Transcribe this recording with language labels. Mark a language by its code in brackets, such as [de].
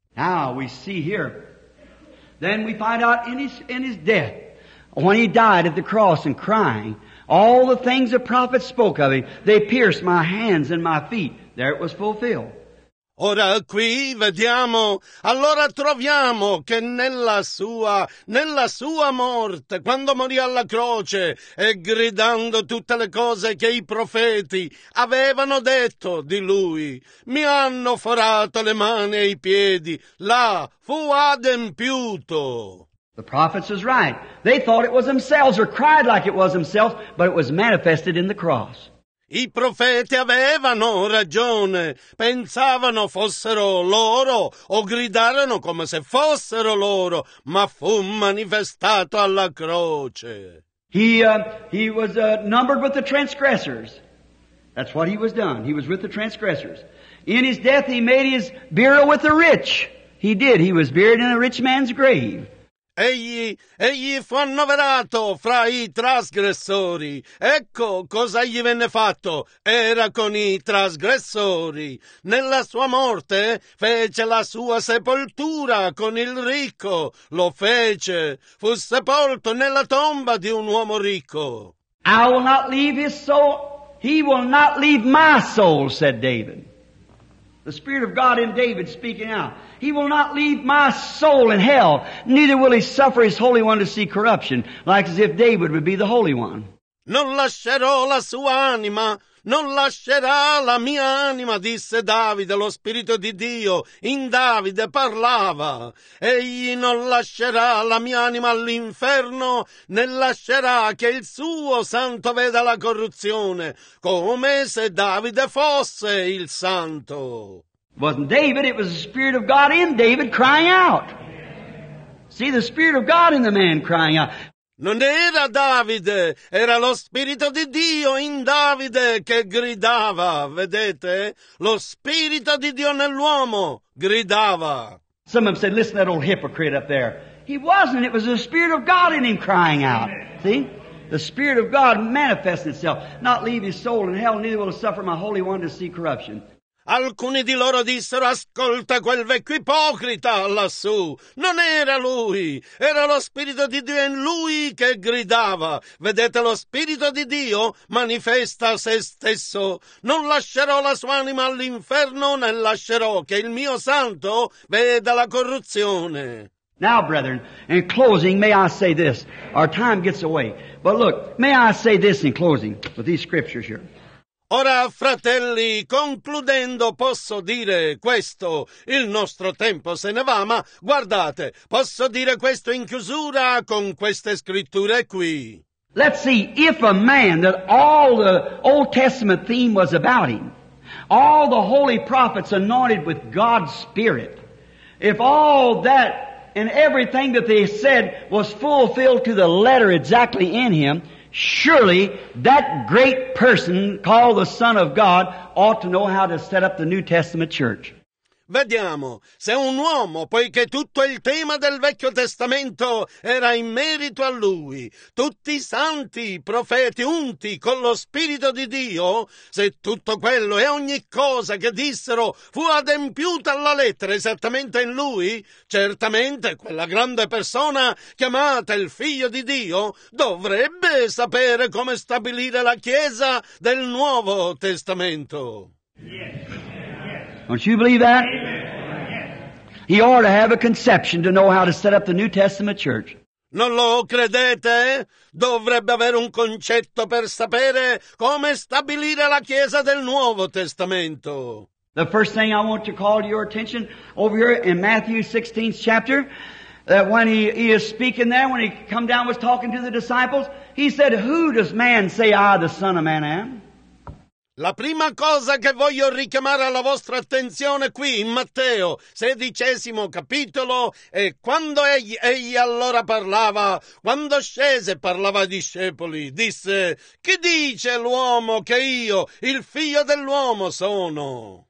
[en] Now we see here. Then we find out in his death. when he died at the cross and crying, all the things the prophet spoke of him, they pierced my hands and my feet. There it was fulfilled. [it] Ora qui vediamo, allora troviamo che nella sua morte, quando morì alla croce e gridando tutte le cose che i profeti avevano detto di lui, mi hanno forato le mani e i piedi, là fu adempiuto. [en] The prophets was right. They thought it was themselves or cried like it was themselves, but it was manifested in the cross. [it] I profeti avevano ragione, pensavano fossero loro o gridarono come se fossero loro, ma fu manifestato alla croce. [en] He was numbered with the transgressors. That's what he was done. He was with the transgressors. In his death he made his burial with the rich. He did. He was buried in a rich man's grave. [it] Egli fu annoverato fra i trasgressori. Ecco cosa gli venne fatto. Era con i trasgressori. Nella sua morte fece la sua sepoltura con il ricco. Lo fece. Fu sepolto nella tomba di un uomo ricco. [en] I will not leave his soul. He will not leave my soul, said David. The Spirit of God in David speaking out. He will not leave my soul in hell, neither will he suffer his Holy One to see corruption, like as if David would be the Holy One. [it] Non lascerò la sua anima, non lascerà la mia anima, disse Davide, lo Spirito di Dio in Davide parlava. Egli non lascerà la mia anima all'inferno, né lascerà che il suo santo veda la corruzione, come se Davide fosse il santo. [en] Wasn't David, it was the Spirit of God in David crying out. See, the Spirit of God in the man crying out. [it] Non era Davide, era lo Spirito di Dio in Davide che gridava, vedete? Lo Spirito di Dio nell'uomo gridava. [en] Some of them said, listen to that old hypocrite up there. He wasn't, it was the Spirit of God in him crying out. See? The Spirit of God manifests itself. Not leave his soul in hell, neither will it suffer my Holy One to see corruption. [it] Alcuni di loro dissero, ascolta quel vecchio ipocrita lassù. Non era lui, era lo Spirito di Dio in lui che gridava. Vedete, lo Spirito di Dio manifesta se stesso. Non lascerò la sua anima all'inferno, né lascerò che il mio santo veda la corruzione. [en] Now, brethren, in closing, may I say this. Our time gets away. But look, may I say this in closing with these scriptures here. [it] Ora, fratelli, concludendo, posso dire questo. Il nostro tempo se ne va, ma guardate, posso dire questo in chiusura con queste scritture qui. [en] Let's see, if a man, that all the Old Testament theme was about him, all the holy prophets anointed with God's Spirit, if all that and everything that they said was fulfilled to the letter exactly in him, surely, that great person called the Son of God ought to know how to set up the New Testament church. [it] Vediamo, se un uomo, poiché tutto il tema del Vecchio Testamento era in merito a lui, tutti i santi, profeti, unti con lo Spirito di Dio, se tutto quello e ogni cosa che dissero fu adempiuta alla lettera esattamente in lui, certamente quella grande persona chiamata il Figlio di Dio dovrebbe sapere come stabilire la Chiesa del Nuovo Testamento. [en] Yes. Don't you believe that? Amen. He ought to have a conception to know how to set up the New Testament church. [it] Non lo credete? Dovrebbe avere un concetto per sapere come stabilire la Chiesa del Nuovo Testamento. [en] The first thing I want to call your attention over here in Matthew 16th chapter, that when he is speaking there, when he come down was talking to the disciples, he said, who does man say I, the Son of Man, am? [it] La prima cosa che voglio richiamare alla vostra attenzione qui in Matteo, 16° capitolo, è quando egli allora parlava, quando scese e parlava ai discepoli, disse, chi dice l'uomo che io, il figlio dell'uomo, sono?